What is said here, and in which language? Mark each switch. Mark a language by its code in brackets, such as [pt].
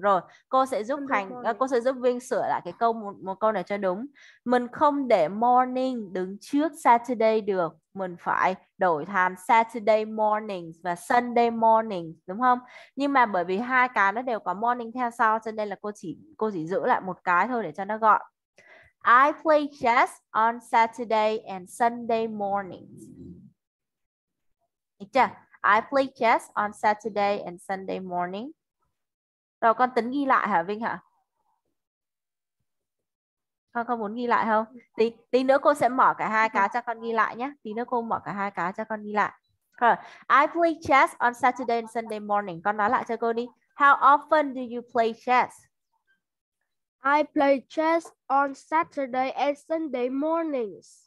[vi] Rồi, cô sẽ giúp cô sẽ giúp Vinh sửa lại cái câu một câu này cho đúng. Mình không để morning đứng trước Saturday được. Mình phải đổi thành Saturday morning và Sunday morning, đúng không? Nhưng mà bởi vì hai cái nó đều có morning theo sau, cho nên là cô chỉ giữ lại một cái thôi để cho nó gọn. [en] I play chess on Saturday and Sunday mornings. [vi] Được chưa? [en] I play chess on Saturday and Sunday morning. [vi] Rồi con tính ghi lại hả Vinh hả? Con không muốn ghi lại không? Tí nữa cô sẽ mở cả hai cái cho con ghi lại nhé. Tí nữa cô mở cả hai cái cho con ghi lại. [en] I play chess on Saturday and Sunday morning. [vi] Con nói lại cho cô đi. [en] How often do you play chess? I play chess on Saturday and Sunday mornings.